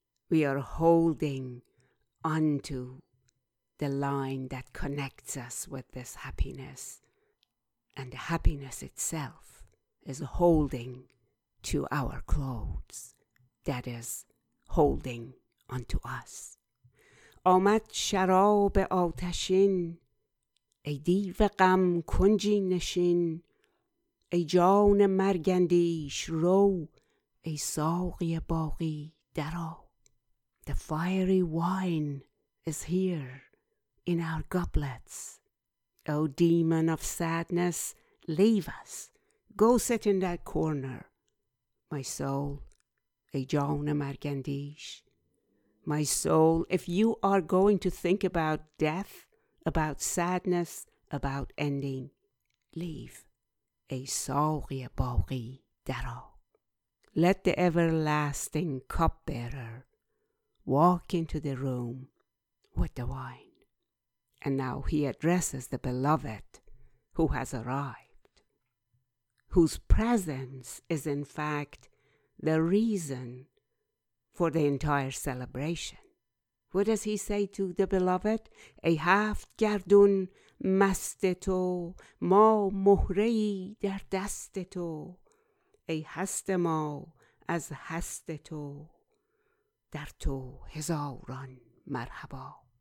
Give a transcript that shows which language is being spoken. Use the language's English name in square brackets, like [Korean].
[English] We are holding onto the line that connects us with this happiness. And the happiness itself is holding to our clothes, that is, holding onto us. [Persian] آمد شراب آتشین ای دیو غم کنجی نشین ای جان مرگندیش رو ای ساقی باقی درا. [English] The fiery wine is here in our goblets. O demon of sadness, leave us. Go sit in that corner. My soul, [Persian] ای جان مرگندیش. [English] My soul, if you are going to think about death, about sadness, about ending, leave. [Persian] ای ساقی باقی درا. [English] Let the everlasting cupbearer walk into the room with the wine. And now he addresses the beloved who has arrived, whose presence is in fact the reason for the entire celebration. What does he say to the beloved? [Persian] ای هفت گردون مست تو ما مهره ای در دست تو ای هست ما از هست تو در تو هزاران مرحبا.